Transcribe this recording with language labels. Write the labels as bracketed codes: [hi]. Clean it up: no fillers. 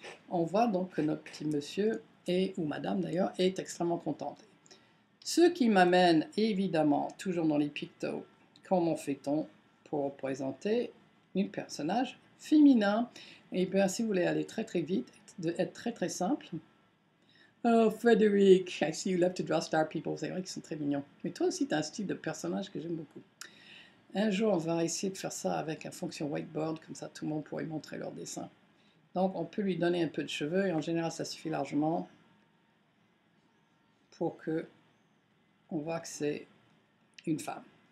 [fr] On voit donc que notre petit monsieur, et, ou madame d'ailleurs, est extrêmement contente. Ce qui m'amène évidemment, toujours dans les pictos, comment fait-on pour représenter un personnage féminin? Eh bien, si vous voulez aller très très vite, être très très simple. [en] Oh, Frédéric, I see you love to draw star people. [fr] C'est vrai qu'ils sont très mignons. Mais toi aussi, tu as un style de personnage que j'aime beaucoup. Un jour, on va essayer de faire ça avec une fonction whiteboard, comme ça tout le monde pourrait montrer leur dessin. Donc, on peut lui donner un peu de cheveux, et en général, ça suffit largement pour que on voit que c'est une femme.